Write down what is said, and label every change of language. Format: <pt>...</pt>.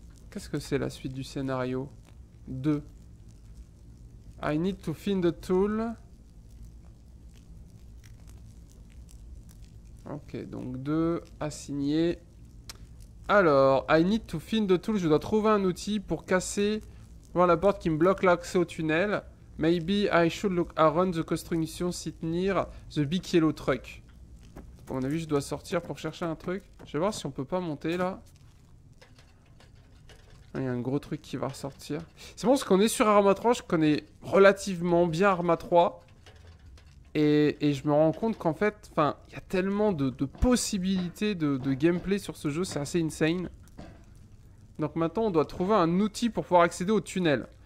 <fr>Qu'est-ce que c'est la suite du scénario 2.</fr> <en>I need to find a tool.</en> <fr>Ok, donc 2, assigné. Alors,</fr> <en>I need to find a tool.</en> <fr>Je dois trouver un outil pour casser la porte qui me bloque l'accès au tunnel.</fr> <en>Maybe I should look around the construction site near the big yellow truck.</en> <fr>A mon avis, je dois sortir pour chercher un truc. Je vais voir si on peut pas monter là. Il y a un gros truc qui va ressortir. C'est bon, parce qu'on est sur Arma 3, je connais relativement bien Arma 3. Et je me rends compte qu'en fait, enfin, il y a tellement de possibilités de gameplay sur ce jeu, c'est assez insane. Donc maintenant, on doit trouver un outil pour pouvoir accéder au tunnel.</fr>